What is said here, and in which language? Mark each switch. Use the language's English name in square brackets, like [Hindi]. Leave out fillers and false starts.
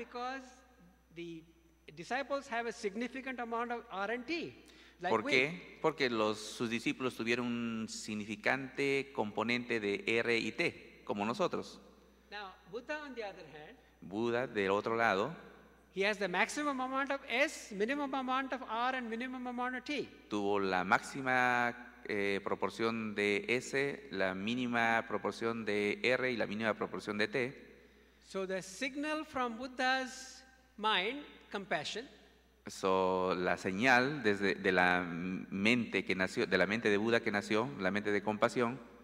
[English] Because the disciples have a significant amount of R&T. Like [Spanish] ¿Por qué? Porque sus discípulos tuvieron un significante componente de R&T, como nosotros. [English] Now, Buddha, on the other hand, [Spanish] Buddha, del otro lado, [English] he has the maximum amount of S, minimum amount of R, and minimum amount of T. [Spanish] Tuvo la máxima proporción de S, la mínima proporción de R y la mínima proporción de T. [English] So the signal from Buddha's mind, compassion. [Spanish] So la señal desde de la mente de Buda que nació, la mente de compasión,